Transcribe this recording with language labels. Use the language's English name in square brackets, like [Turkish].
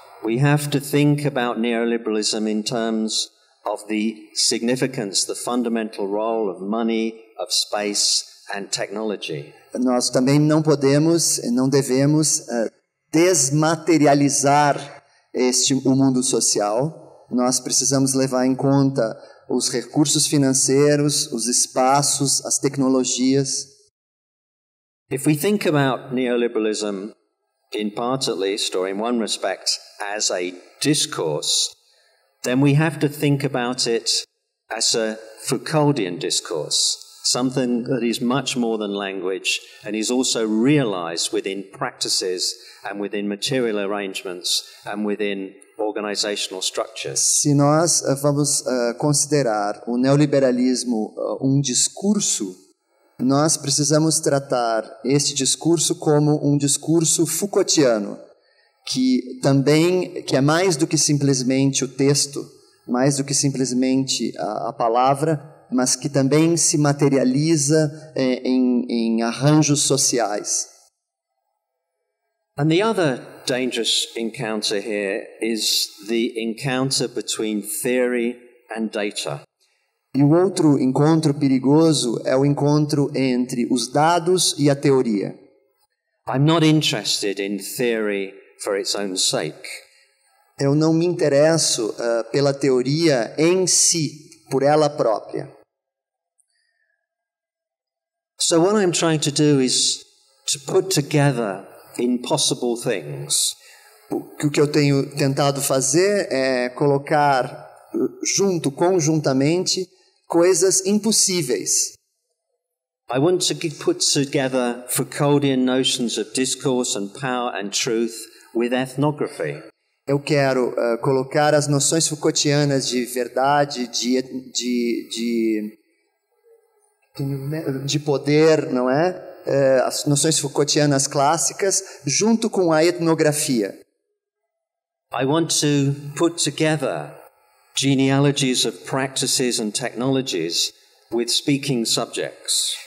[English] We have to think about neoliberalism in terms of the significance, the fundamental role of money, of space and technology. [Portuguese] Nós também não podemos e não devemos desmaterializar o mundo social. Nós precisamos levar em conta os recursos financeiros, os espaços, as tecnologias. [English] If we think about neoliberalism in part at least, or in one respect, as a discourse, then we have to think about it as a Foucauldian discourse, something that is much more than language and is also realized within practices and within material arrangements and within organizational structures. [Portuguese] Se nós vamos considerar o neoliberalismo discurso, nós precisamos tratar este discurso como discurso Foucaultiano, que também, que é mais do que simplesmente o texto, mais do que simplesmente a palavra, mas que também se materializa em arranjos sociais. [English] And the other dangerous encounter here is the encounter between theory and data. [Portuguese] E o outro encontro perigoso é o encontro entre os dados e a teoria. [English] I'm not interested in theory for its own sake. [Portuguese] Eu não me interesso pela teoria em si, por ela própria. [English] So what I'm trying to do is to put together impossible things. [Portuguese] O que eu tenho tentado fazer é colocar junto, conjuntamente, coisas impossíveis. [English] I want to put together Foucauldian notions of discourse and power and truth with ethnography. [Portuguese] Eu quero colocar as noções foucaultianas de verdade, de poder, não é? As noções foucaultianas clássicas junto com a etnografia. [English] I want to put together genealogies of practices and technologies with speaking subjects.